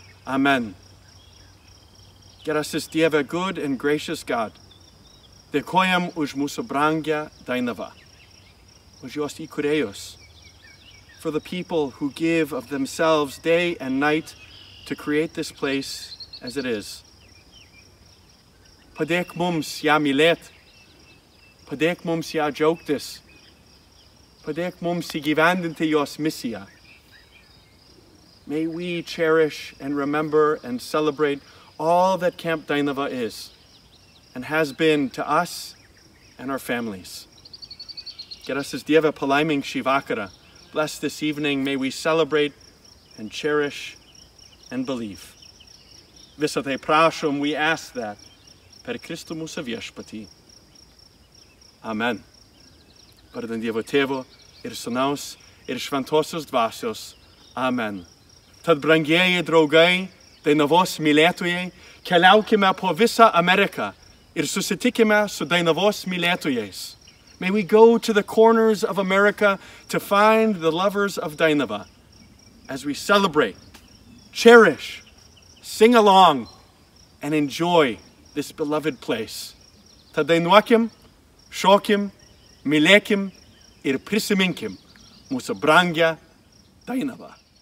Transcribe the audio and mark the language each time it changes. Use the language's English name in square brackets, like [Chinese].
[Lithuanian] Amen. Gerasis Dieve, [English] good and gracious God, [Lithuanian] dėkojam už mūsų brangę Dainavą, už jos įkūrėjus, [English] for the people who give of themselves day and night to create this place as it is. [Lithuanian] Padėk mums ją mylėt, padėk mums ją džiaugtis, padėk mums įgyvendinti jos misiją. [English] May we cherish and remember and celebrate all that Camp Dainava is and has been to us and our families. [Lithuanian] Gerasis Dieve, palaimink šį vakarą. [English] Bless this evening, may we celebrate and cherish and believe. [Lithuanian] Visa tai prašom, [English] we ask that, [Lithuanian] per Kristų mūsų viešpatį. Amen. Vardan Dievo Tėvo ir Sūnaus ir Šventosios Dvasios. Amen. Tad brangieji draugai, Dainavos mylėtojai, keliaukime po visą Ameriką ir susitikime su Dainavos mylėtojais. [English] May we go to the corners of America to find the lovers of Dainava as we celebrate, cherish, sing along, and enjoy this beloved place. [Lithuanian] Tad dainuokim, šokim, mylėkim ir prisiminkim mūsų brangę Dainavą.